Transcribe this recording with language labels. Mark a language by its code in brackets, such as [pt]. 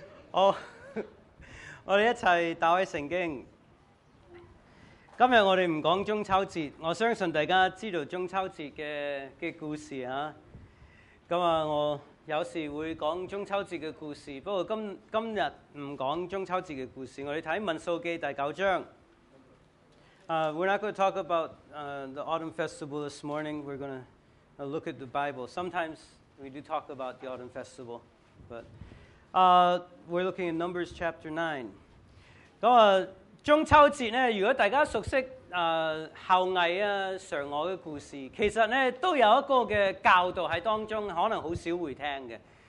[zh] 好，我們一起打開聖經。今天我們不講中秋節，我相信大家知道中秋節 的故事啊。我有時會講中秋節的故事，不過今日不講中秋節的故事。我們看民數記第九章。 [en] We're not going to talk about the Autumn Festival this morning. We're going to look at the Bible. Sometimes we do talk about the Autumn Festival, but we're looking at Numbers chapter 9. [zh] 中秋節呢，如果大家熟悉後羿啊、嫦娥的故事，其實呢都有一個教導在當中，可能很少會聽的。